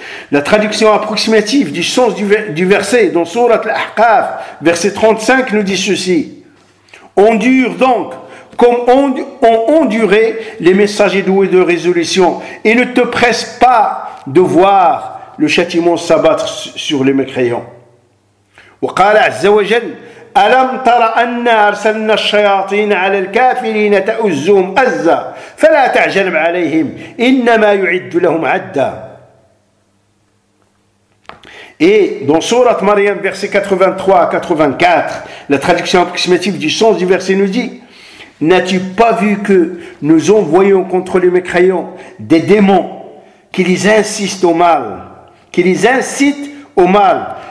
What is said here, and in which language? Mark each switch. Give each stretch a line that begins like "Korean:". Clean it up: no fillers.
French: La traduction approximative du sens du verset dans sourate Al-Ahqaf, verset 35, nous dit ceci: endure donc comme ont enduré les messagers doués de résolution, et ne te presse pas de voir le châtiment s'abattre sur les mécréants.
Arabic: وقال عز وجل: ألم تر أن أرسلنا الشياطين على الكافرين تأزهم أزا فلا تعجل عليهم إنما يعد لهم عدا.
French: Et dans sourate Maryam, verset 83 à 84, la traduction approximative du sens du verset nous dit: n'as-tu pas vu que nous envoyons contre les mécréants des démons qui les incitent au mal, qui les incitent au mal?